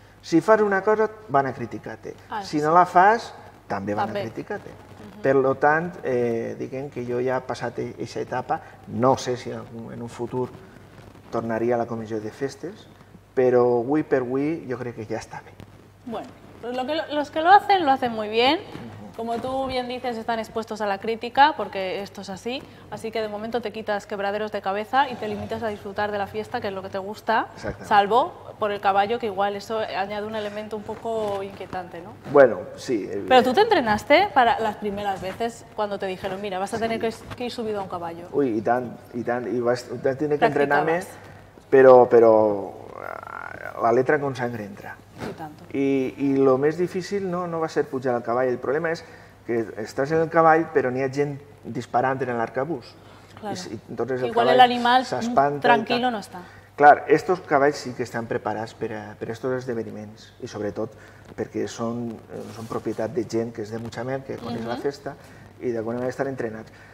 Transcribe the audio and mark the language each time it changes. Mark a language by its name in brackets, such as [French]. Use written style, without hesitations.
[Catalan] Si fas una cosa, van a criticar-te. Ah, si no la fas, també van a criticar-te. Per tant, diguem que jo ja he passat aquesta etapa, no sé si en un futur tornaria a la comissió de festes, però avui per avui jo crec que ja està bé. [Spanish] Bueno, los que lo hacen muy bien. Como tú bien dices, están expuestos a la crítica, porque esto es así. Así que de momento te quitas quebraderos de cabeza y te limitas a disfrutar de la fiesta, que es lo que te gusta, salvo por el caballo, que igual eso añade un elemento un poco inquietante, ¿no? Bueno, sí. Pero tú te entrenaste para las primeras veces cuando te dijeron, mira, vas a tener que ir subido a un caballo. Uy, y tan, y tan, y vas a tener que entrenarme. però la letra con sangre entra. [Catalan] I tant. I el més difícil no va ser pujar al cavall. El problema és que estàs en el cavall, però n'hi ha gent disparant en l'arcabús. Claro. Igual l'animal tranquil no està. Clar, aquests cavalls sí que estan preparats per a aquests esdeveniments i sobretot perquè són propietat de gent que és de Mutxamel, que coneix la festa i d'alguna manera estan entrenats.